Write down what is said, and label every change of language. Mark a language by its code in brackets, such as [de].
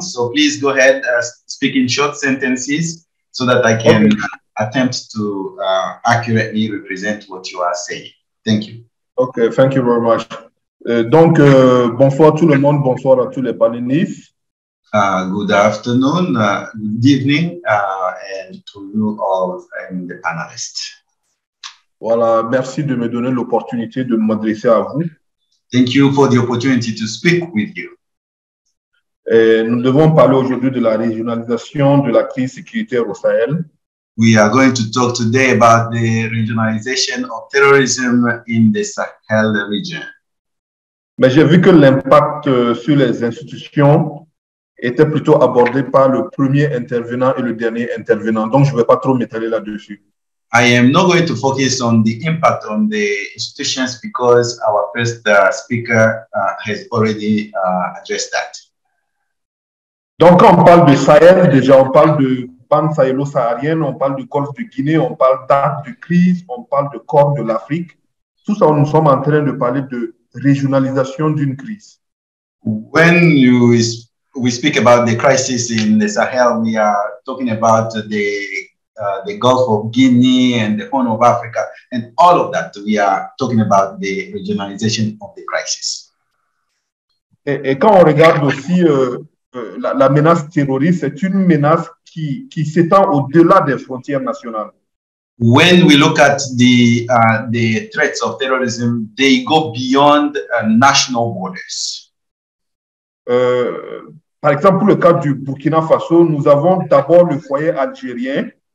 [en] So please go ahead, speak in short sentences so that I can attempt to accurately represent what you are saying. Thank you. Okay, thank you very much. [fr] Donc, bonsoir tout le monde, bonsoir à tous les panélistes. [en] Good afternoon, good evening, and to you all and the panelists. [fr] Voilà, merci de me donner l'opportunité de m'adresser à vous. [en] Thank you for the opportunity to speak with you. [fr] Et nous devons parler aujourd'hui de la régionalisation de la crise sécuritaire au Sahel. [en] We are going to talk today about the regionalization of terrorism in the Sahel region. [fr] Mais j'ai vu que l'impact sur les institutions était plutôt abordé par le premier intervenant et le dernier intervenant. Donc, je ne vais pas trop m'étaler là-dessus. [en] I am not going to focus on the impact on the institutions because our first speaker has already addressed that. [fr] Donc, quand on parle de Sahel, déjà, on parle de pan-sahélo-saharienne, on parle du golfe de Guinée, on parle d'arbre de crise, on parle de corps de l'Afrique. Tout ça, nous sommes en train de parler de régionalisation d'une crise. [en] When we speak about the crisis in the Sahel, we are talking about the Gulf of Guinea and the Horn of Africa and all of that. We are talking about the regionalization of the crisis. [fr] Et quand on regarde aussi la menace terroriste, c'est une menace qui s'étend au-delà des frontières nationales. [en] When we look at the threats of terrorism, they go beyond national borders. [fr] Par exemple, pour le cas du Burkina Faso, nous avons d'abord le foyer algérien.